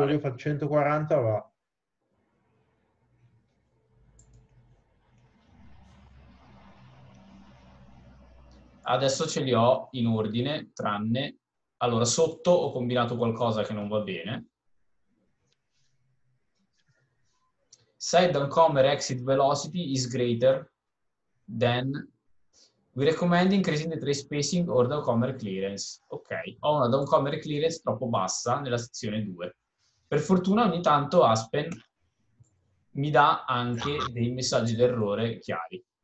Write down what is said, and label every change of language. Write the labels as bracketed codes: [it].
[it] Quello che fa 140 va. Adesso ce li ho in ordine, tranne... Allora, sotto ho combinato qualcosa che non va bene. [en] Side downcomer exit velocity is greater than... We recommend increasing the trace spacing or downcomer clearance. [it] Ok, ho una downcomer clearance troppo bassa nella sezione 2. Per fortuna ogni tanto Aspen mi dà anche dei messaggi d'errore chiari.